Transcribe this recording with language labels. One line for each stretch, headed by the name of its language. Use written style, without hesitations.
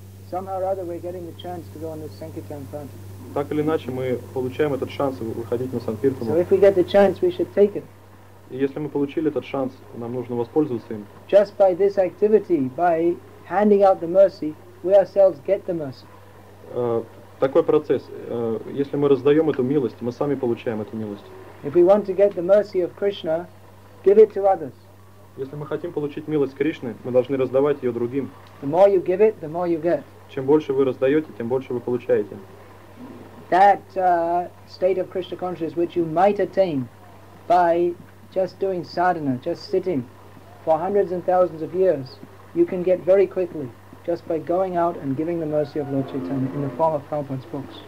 English: Somehow or other, we're getting the chance to go on this Sankirtan front.
Russian: Так или иначе, мы получаем этот шанс выходить на Санкиртану.
English: So if we get the chance, we should take it.
Russian: И если мы получили этот шанс, нам нужно воспользоваться им.
English: Just by this activity, by handing out the mercy, we ourselves get the mercy.
Russian: Такой процесс. Если мы раздаем эту милость, мы сами получаем эту милость.
English: If we want to get the mercy of Krishna, give it to others.
Russian: Если мы хотим получить милость Кришны, мы должны раздавать ее другим.
English: The more you give it, the more you get.
Russian: Чем больше вы раздаете, тем больше вы получаете.
English: That state of Krishna consciousness, which you might attain by just doing sadhana, just sitting for hundreds and thousands of years, you can get very quickly just by going out and giving the mercy of Lord Chaitanya in the form of Prabhupada's books.